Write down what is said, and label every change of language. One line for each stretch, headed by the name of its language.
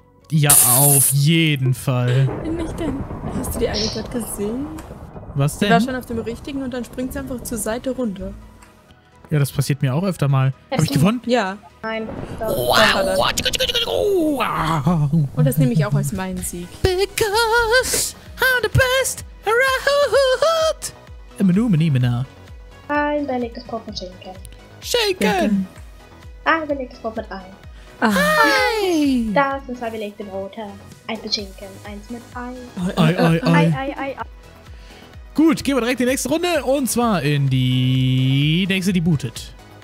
German: Ja, auf jeden Fall. Bin ich denn? Hast du die eigentlich gerade gesehen? Was denn? Die war schon auf dem richtigen und dann springt sie einfach zur Seite runter. Ja, das passiert mir auch öfter mal. Hab ich gewonnen? Ja. Nein. Wow. Wow. Und das nehme ich auch als meinen Sieg.
English: Because I'm the best around. I'm a new man, I'm a new man.
German: Belegtes Brot mit Schinken. Schinken! Ein belegtes Brot mit Ei. Ei! Das sind zwei belegte Brote. Eins mit Schinken, eins mit Ei. Ei. Gut, gehen wir direkt in die nächste Runde und zwar in die nächste, die bootet.